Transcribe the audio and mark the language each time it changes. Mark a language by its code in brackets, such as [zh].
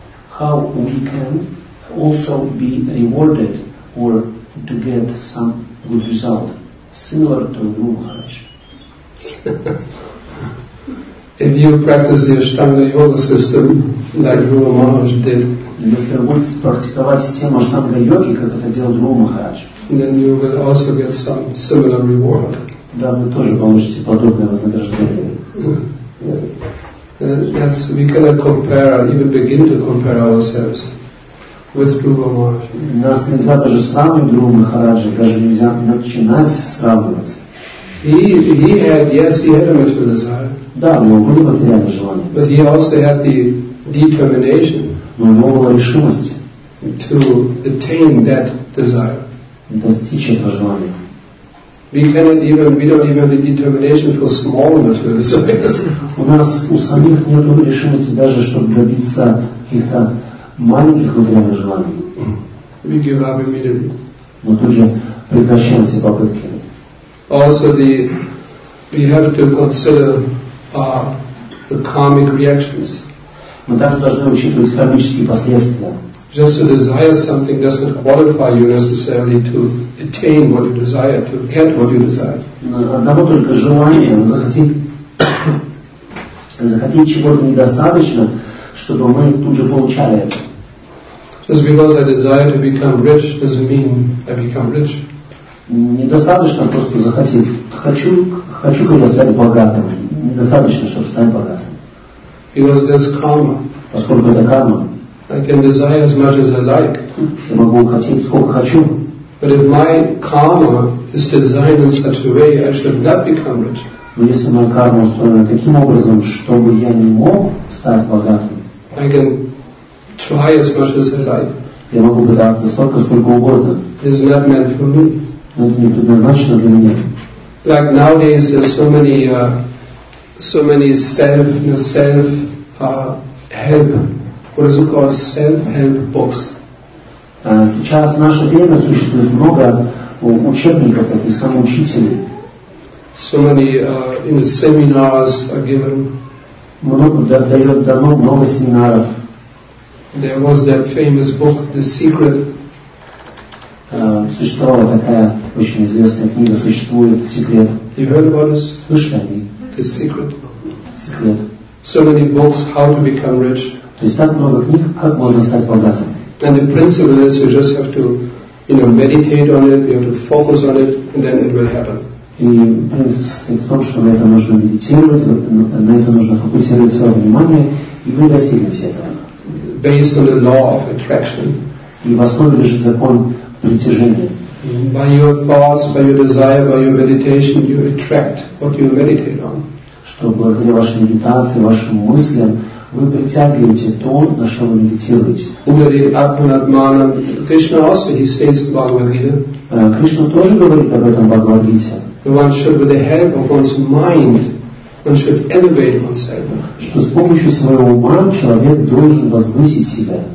[en] How we can also be rewarded or to get some good result, similar to Guru Maharaj. If you practice the Ashtanga Yoga system like Guru Maharaj did, [ru] если вы будете практиковать систему Аштанга йоги, как это делал Дхрува Махарадж, [en] then you will also get some similar reward. [ru] Да, вы тоже получите подобное вознаграждение. [en] Yes, we cannot compare, even begin to compare ourselves with Dhrува Махарадж. [ru] Нас нельзя даже сравнивать с Дхрувой Махараджи, даже нельзя начинать сравнивать. [en] He had a material desire. [ru] Да, у него были материальные желания. [en] But he also had the determination. [ru] Но у него была решимость [en] to attain that desire. [ru] Достичь этого желания. [en] We don't even have the determination for small material desires. [ru] У нас у самих нет решимости даже, чтобы добиться каких-то маленьких материальных желаний. [en] We give up immediately. [ru] Мы тут же прекращаем все попытки. [en] also the we have to consider the karmic reactions. [ru] Мы также должны учитывать кармические последствия. [en] Just to desire something doesn't qualify you necessarily to attain what you desire, to get what you desire. [ru] Одного только желания захотеть чего-то недостаточно, чтобы мы тут же получали это. [en] Just because I desire to become rich doesn't mean I become rich. [ru] Недостаточно просто захотеть. Хочу я стать богатым. Недостаточно, чтобы стать богатым. [en] Because there's karma. [ru] Поскольку это карма. [en] I can desire as much as I like. [ru] Я могу хотеть сколько хочу. [en] But if my karma is designed in such a way, I should not become rich. [ru] Но если моя карма устроена таким образом, чтобы я не мог стать богатым. [en] I can try as much as I like. [ru] Я могу пытаться столько, сколько угодно. [en] It's not meant for me. [ru] Но это не предназначено для меня. [en] Like nowadays, there's so many self-help. What is it called? Self-help books. [ru] Сейчас в наше время существует много учебников таких самоучителей. [en] So many in the seminars are given. [ru] Много семинаров. [en] There was that famous book, The Secret. [ru] Существовала такая очень известная книга, существует Секрет. [en] You heard about this? [ru] Слышали они? [en] The Secret. [ru] Секрет. [en] So many books, How to Become Rich. [ru] То есть так много книг, как можно стать богатым. [en] And the principle is, you just have to, you know, meditate on it. You have to focus on it, and then it will happen. [ru] И принцип состоит в том, что на это нужно медитировать, на это нужно фокусировать свое внимание, и вы достигнете этого. [en] Based on the law of attraction. [ru] И в основе лежит закон притяжения. [en] By your thoughts, by your desire, by your meditation, you attract what you meditate on. [ru] Что благодаря вашей медитации, вашим мыслям, вы притягиваете то, на что вы медитируете. [en] Ugari Atmanatmanam. Krishna also, he says in Bhagavad Gita. [ru] Кришна тоже говорит об этом в Бхагавад Гите. [en] One should, with the help of one's mind, one should elevate oneself. [ru] Что с помощью своего ума человек должен возвысить себя.